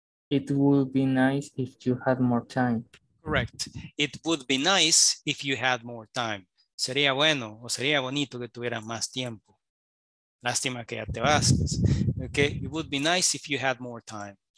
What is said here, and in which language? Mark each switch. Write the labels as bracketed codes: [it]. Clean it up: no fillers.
[en] It would be nice if you had more time. Correct. It would be nice if you had more time. [es] Sería bueno o sería bonito que tuvieras más tiempo. Lástima que ya te vas. [en] Okay, it would be nice if you had more time.